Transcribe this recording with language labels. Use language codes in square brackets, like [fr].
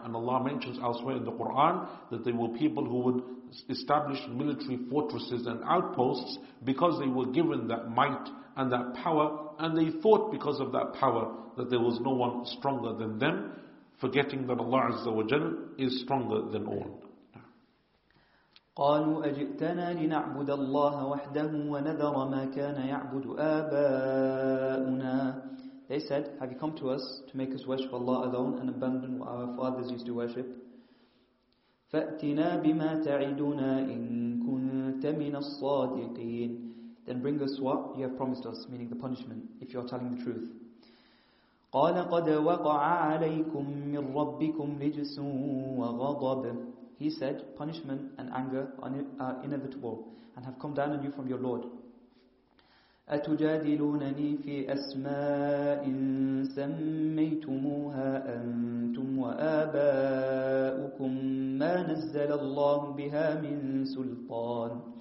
[en] And Allah mentions elsewhere in the Quran that they were people who would establish military fortresses and outposts because they were given that might and that power, and they thought because of that power that there was no one stronger than them, forgetting that Allah Azza wa Jalla is stronger than all. [ar] قالوا أجئتنا لنعبد الله وحده ونذر ما كان يعبد آباؤنا [en] They said, have you come to us to make us worship Allah alone and abandon what our fathers used to worship? [ar] فأتنا بما تعدنا إن كنت من الصادقين [en] Then bring us what you have promised us, meaning the punishment, if you are telling the truth. [ar] قال قد وقع عليكم من ربكم رجس وغضب [en] He said, punishment and anger are inevitable and have come down on you from your Lord. [ar] أَتُجَادِلُونَنِي فِي أَسْمَاءٍ سَمَّيْتُمُوهَا أَنْتُمْ وَآبَاؤُكُمْ مَا نَزَّلَ اللَّهُ بِهَا مِنْ سُلْطَانٍ